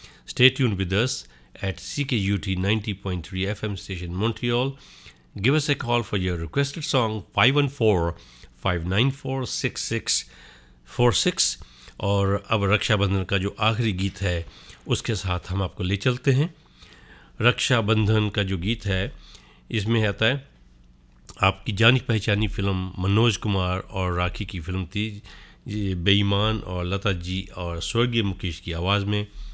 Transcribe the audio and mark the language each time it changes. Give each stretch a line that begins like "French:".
English: Stay tuned with us at CKUT 90.3 FM station Montreal. give us a call for your requested song, 514-594-6646.
Hindi: और अब रक्षाबंधन का जो आखिरी गीत है उसके साथ हम आपको ले चलते हैं. रक्षाबंधन का जो गीत है इसमें आता है आपकी जानी पहचानी फिल्म मनोज कुमार और राखी की फिल्म थी बेईमान, और लता जी और स्वर्गीय मुकेश की आवाज़ में.